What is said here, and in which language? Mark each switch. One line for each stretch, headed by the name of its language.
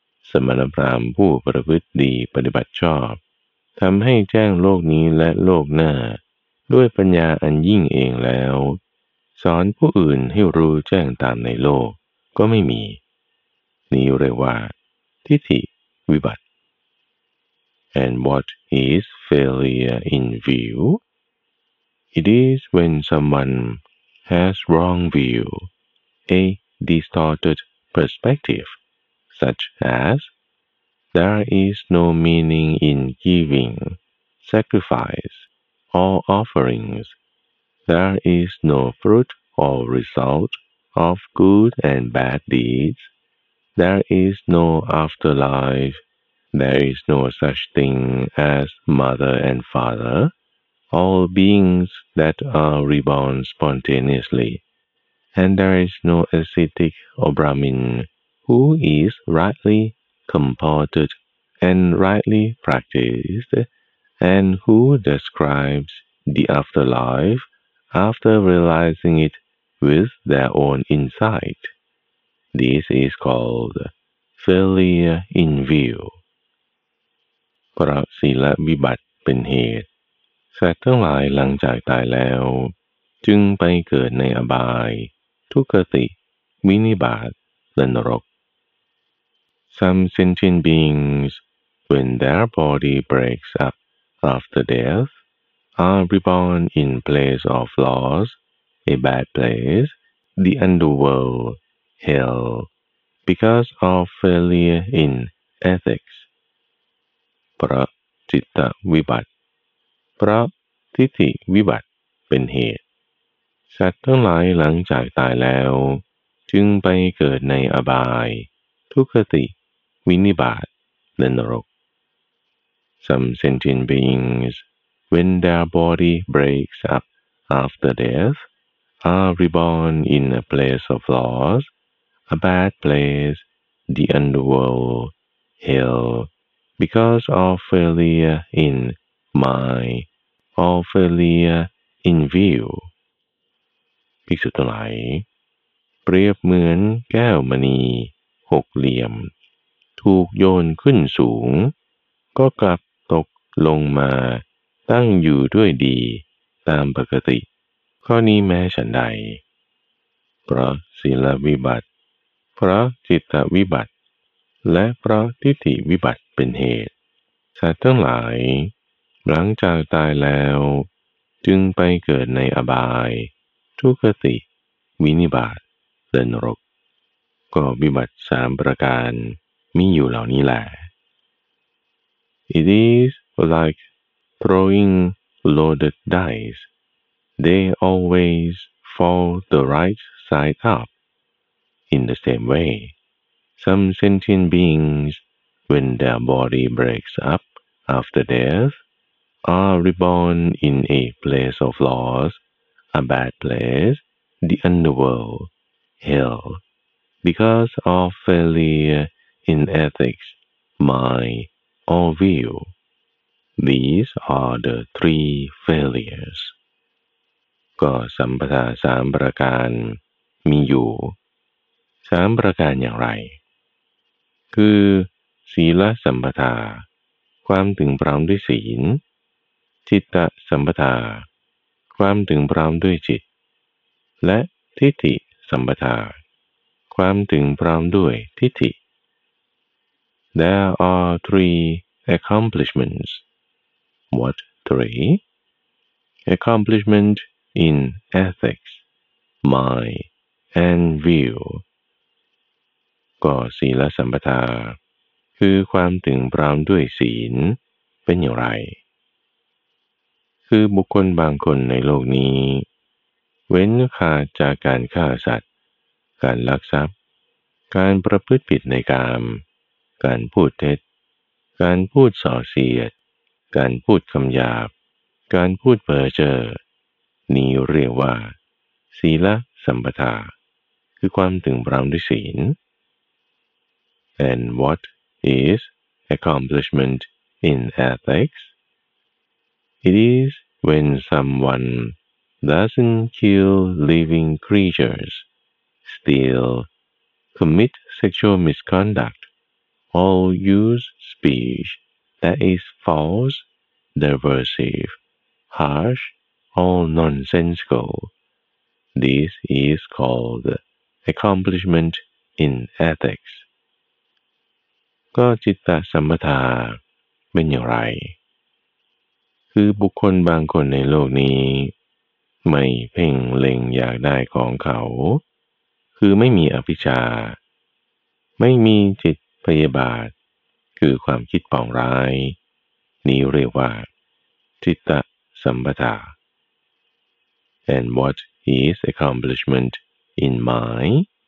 Thai: สมณพราหมณ์ผู้ประพฤติดีปฏิบัติชอบทำให้แจ้งโลกนี้และโลกหน้าด้วยปัญญาอันยิ่งเองแล้วสอนผู้อื่นให้รู้แจ้งตามในโลกก็ไม่มีนี้เรียกว่าทิฏฐิวิบัติ
English: And what is failure in view? It is when someone has wrong view, a distorted perspective, such asThere is no meaning in giving, sacrifice, or offerings. There is no fruit or result of good and bad deeds. There is no afterlife. There is no such thing as mother and father, all beings that are reborn spontaneously. And there is no ascetic or Brahmin who is rightlycomported and rightly practiced, and who describes the afterlife after realizing it with their own insight. This is called failure in view.
Thai: เพราะศีลวิบัติเป็นเหตุสัตว์ทั้งหลายหลังจากตายแล้วจึงไปเกิดในอบายทุกขติวินิบาตและนรก
English: Some sentient beings, when their body breaks up after death, are reborn in place of loss, a bad place, the underworld, hell, because of failure in ethics.
Thai: เพราะจิตวิบัติเพราะทิฏฐิวิบัติเป็นเหตุ สัตว์ทั้งหลายหลังจากตายแล้วจึงไปเกิดในอบายทุคติวินิบาตและนรก
English: Some sentient beings, when their body breaks up after death, are reborn in a place of loss, a bad place, the underworld, hell, because of failure in mind or failure in view.
Thai: ภิกษุทั้งหลายเปรียบเหมือนแก้วมณีหกเหลี่ยมถูกโยนขึ้นสูงก็กลับตกลงมาตั้งอยู่ด้วยดีตามปกติข้อนี้แม้ฉันใด เพราะศีลวิบัติเพราะจิตวิบัติและเพราะทิฏฐิวิบัติเป็นเหตุสัตว์ทั้งหลายหลังจากตายแล้วจึงไปเกิดในอบายทุกขติวินิบาตและนรกก็วิบัติสามประการมีอยู่เหล่านี้แหละ
English: It is like throwing loaded dice. They always fall the right side up. In the same way, some sentient beings, when their body breaks up after death, are reborn in a place of loss. A bad place, the underworld, hell, because of failure in ethics, mind, or view. These are the three failures.
Thai: ก็สัมปทาสามประการมีอยู่สามประการอย่างไรคือศีลสัมปทาความถึงพร้อมด้วยศีลจิตตสัมปทาความถึงพร้อมด้วยจิตและทิฏฐิสัมปทาความถึงพร้อมด้วยทิฏฐิ
English: There are three accomplishments. What three? Accomplishment in ethics, mind, and view.
Thai: ก็ศีลสัมปทาคือความถึงพร้อมด้วยศีลเป็นอย่างไรคือบุคคลบางคนในโลกนี้ เว้นขาดจากการฆ่าสัตว์การลักทรัพย์การประพฤติผิดในกามการพูดเท็จการพูดส่อเสียดการพูดคำหยาบการพูดเพ้อเจ้อนี้เรียกว่าศีลสัมปทาคือความถึงพร้อมด้วยศีล
English: And what is accomplishment in ethics? It is when someone doesn't kill living creatures, steal, commit sexual misconduct, or use speech that is false, derisive, harsh, or nonsensical. This is called accomplishment in ethics.
Thai: ก็จิตตสัมปทาเป็นอย่างไรคือบุคคลบางคนในโลกนี้ไม่เพ่งเล็งอยากได้ของเขาคือไม่มีอภิชฌาไม่มีจิตพยาบาทคือความคิดปองร้ายนี้เรียกว่าจิตตสัมปทา
English: And what is accomplishment in mind?